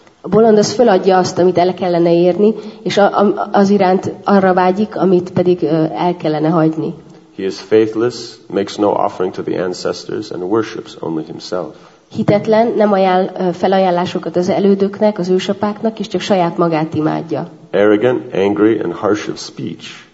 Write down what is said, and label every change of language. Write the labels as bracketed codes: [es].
[hu] A bolond az feladja azt, amit el kellene érni, és az iránt arra vágyik, amit pedig el kellene hagyni. [en] He is faithless, makes no offering to the ancestors, and worships only himself. [hu] Hitetlen, nem ajánl felajánlásokat az elődöknek, az ősapáknak, és csak saját magát imádja. [en] Arrogant, angry, and harsh of speech.